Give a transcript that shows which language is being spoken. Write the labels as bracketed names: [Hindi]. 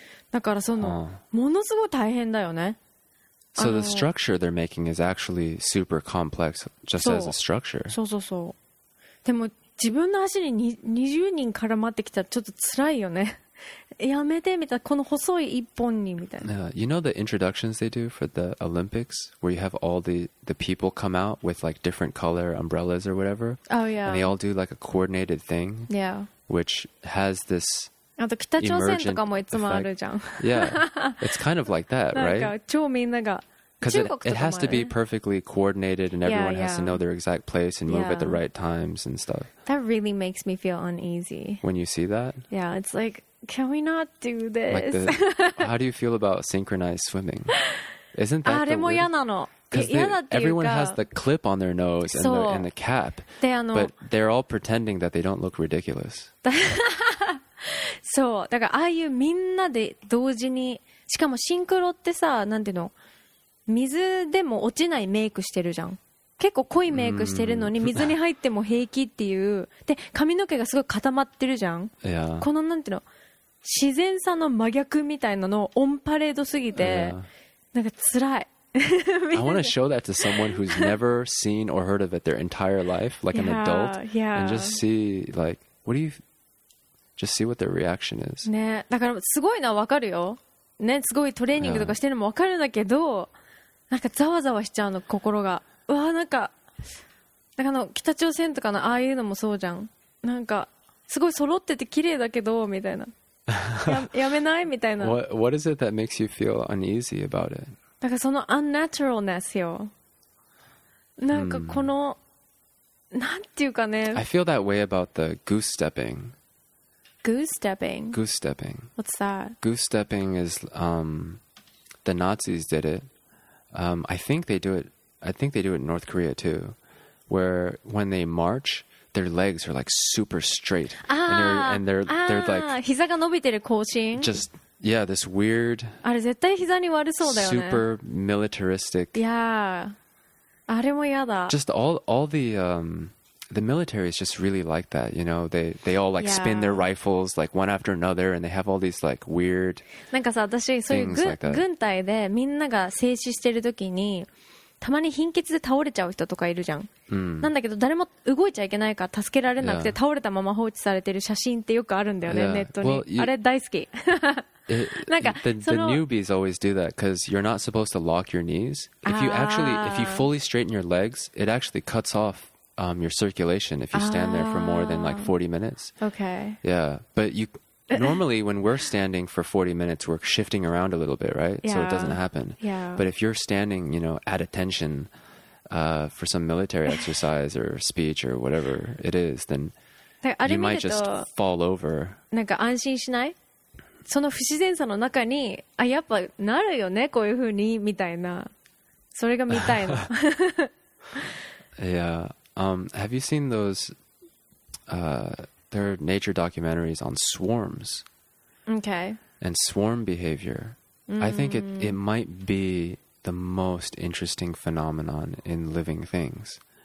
[Japanese] だからその、ものすごい大変だよね。 [English] So the structure they're making is actually super complex just as a structure. [Japanese] そうそうそう。でも自分の足に20人絡まってきたらちょっと辛いよね。やめてみたいな、この細い一本にみたいな。 [English] Yeah, you know the introductions they do for the Olympics where you have all the people come out with like different color umbrellas or whatever. Oh yeah. And they all do like a coordinated thing. Yeah. Which has this. [Japanese] あと北朝鮮とかもいつもあるじゃん。 [English] Yeah. It's kind of like that, right? [Japanese] なんか超みんなが。 [English] Because it has to be perfectly coordinated and everyone yeah, yeah. has to know their exact place and move yeah. at the right times and stuff. That really makes me feel uneasy. When you see that? Yeah, it's like, can we not do this? Like the, how do you feel about synchronized swimming? Isn't that the word? [Japanese] あれも嫌なの。嫌だっていうか。 [English] Everyone has the clip on their nose and, the cap. [Japanese] であの、 [English] but they're all pretending that they don't look ridiculous. [Japanese] そう。だからああいうみんなで同時に、しかもシンクロってさ、なんていうの? 水でも落ちないメイクしてるじゃん。結構濃いメイクしてるのに水に入っても平気っていう。で、髪の毛がすごい固まってるじゃん。 [English] Yeah. [Japanese] このなんていうの、自然さの真逆みたいなのをオンパレードすぎて、なんか辛い。 [English] I want to show that to someone who's never seen or heard of it their entire life, like an adult, and just see like what do you just see what their reaction is. [Japanese] ね、だからすごいのはわかるよ。ね、すごいトレーニングとかしてるのもわかるんだけど、なんかざわざわしちゃうの心が。うわ、なんか、だから北朝鮮とかのああいうのもそうじゃん。なんかすごい揃ってて綺麗だけどみたいな。やめないみたいな。 [English] What is it that makes you feel uneasy about it? [Japanese] なんかその unnaturalness よ。なんかこの、なんていうかね。 [English] I feel that way about the goose stepping. Goose stepping? Goose stepping. What's that? Goose stepping is, the Nazis did it. I think they do it in North Korea too. Where when they march, their legs are like super straight. And they're like... [Japanese] 膝が伸びてる行進。 [English] Just... this weird, [Japanese] あれ絶対膝に悪そうだよね。 [English] Super militaristic. Yeah. [Japanese] あれも嫌だ。 [English] Just all the military is just really like that, you know? They all like spin their rifles like one after another and they have all these like weird things like that. [Japanese] なんかさ、私そういう軍隊でみんなが静止してる時にたまに貧血で倒れちゃう人とかいるじゃん。なんだけど誰も動いちゃいけないから助けられなくて倒れたまま放置されてる写真ってよくあるんだよね、ネットに。 [English] Well, [Japanese] あれ大好き。 [English] The newbies always do that because you're not supposed to lock your knees. If you fully straighten your legs, it actually cuts off your circulation if you stand there for more than like 40 minutes. Okay. Yeah, but you normally when we're standing for 40 minutes, we're shifting around a little bit, right? Yeah. So it doesn't happen. Yeah. But if you're standing, you know, at attention for some military exercise or speech or whatever it is, then you might just fall over. [Japanese] なんか安心しない? その不自然さの中に、あ、やっぱなるよね、こういう風に、みたいな。それが見たいの。 [English] Yeah. Have you seen those, there are nature documentaries on swarms. Okay. And swarm behavior. I think it might be the most interesting phenomenon in living things.